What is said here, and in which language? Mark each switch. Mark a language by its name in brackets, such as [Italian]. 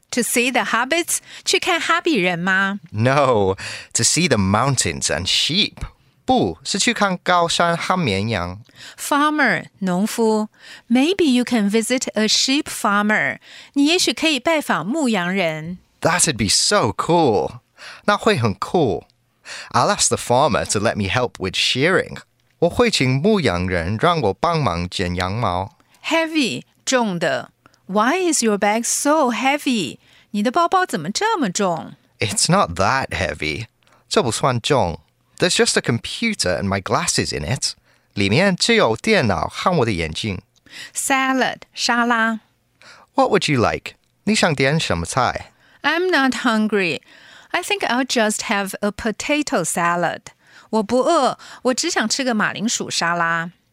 [English] To see the hobbits? [Chinese] 去看哈比人吗? [English] No, to see the mountains and sheep. [Chinese] 不,是去看高山和绵羊。 [English] Farmer, [Chinese] 农夫。 [English] Maybe you can visit a sheep farmer. [Chinese] 你也许可以拜访牧羊人。 [English] That'd be so cool. [Chinese] 那会很 [English] cool. I'll ask the farmer to let me help with shearing. [Chinese] 我会请牧羊人让我帮忙剪羊毛。 [English] Heavy, [Chinese] 重的。 [English] Why is your bag so heavy? [Chinese] 你的包包怎么这么重? [English] It's not that heavy. [Chinese] 这不算重。 [English] There's just a computer and my glasses in it. [Chinese] 里面只有电脑和我的眼镜。 [English] Salad, [Chinese] 沙拉。 [English] What would you like? [Chinese] 你想点什么菜? [English] I'm not hungry. I think I'll just have a potato salad. [Chinese] 我不饿，我只想吃个马铃薯沙拉。